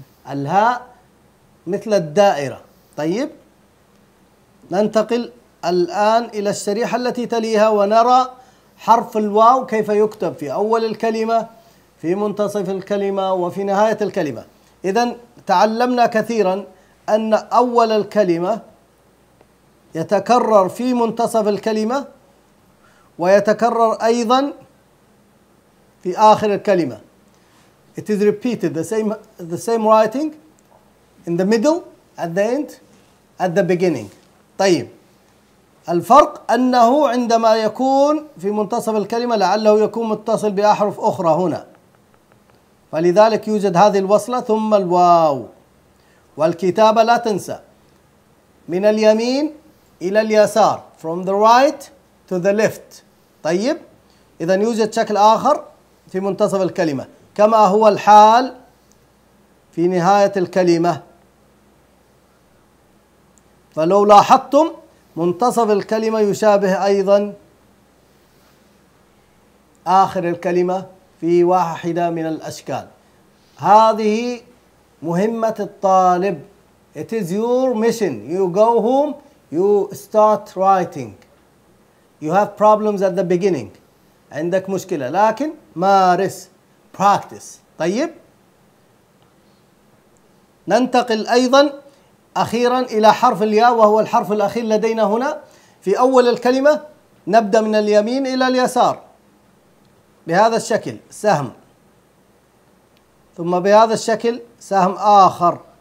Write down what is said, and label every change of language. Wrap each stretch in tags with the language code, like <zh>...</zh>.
<ar>الهاء مثل الدائرة. طيب، ننتقل الآن إلى الشريحة التي تليها ونرى حرف الواو كيف يكتب في أول الكلمة، في منتصف الكلمة، وفي نهاية الكلمة. إذن تعلمنا كثيرا أن أول الكلمة يتكرر في منتصف الكلمة ويتكرر أيضا في آخر الكلمة.</ar> <en>It is repeated, the same writing in the middle, at the end, at the beginning.</en> <ar>طيب، الفرق أنه عندما يكون في منتصف الكلمة لعله يكون متصل بأحرف أخرى هنا، فلذلك يوجد هذه الوصلة ثم الواو. والكتابة لا تنسى من اليمين إلى اليسار،</ar> <en>from the right to the left.</en> <ar>طيب، إذن يوجد شكل آخر في منتصف الكلمة كما هو الحال في نهاية الكلمة. فلو لاحظتم منتصف الكلمة يشابه أيضا آخر الكلمة في واحدة من الأشكال. هذه مهمة الطالب.</ar> <en>It is your mission. You go home, you start writing. You have problems at the beginning.</en> <ar>عندك مشكلة، لكن مارس، practice. طيب، ننتقل أيضا أخيرا إلى حرف الياء، وهو الحرف الأخير لدينا هنا في أول الكلمة. نبدأ من اليمين إلى اليسار بهذا الشكل سهم، ثم بهذا الشكل سهم آخر.</ar>